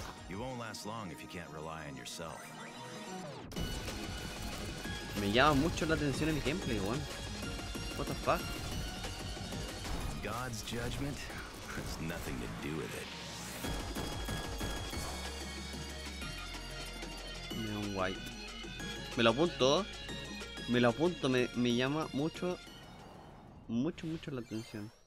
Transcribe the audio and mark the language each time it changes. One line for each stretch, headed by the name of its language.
English: You won't last long if you can't rely on yourself.
Spanish: Me llama mucho la atención el gameplay, weón.
English: What the fuck? God's judgment has nothing to do with it.
Spanish: Neon White. Me lo apunto. Me lo apunto, me llama mucho. Mucho, mucho la atención.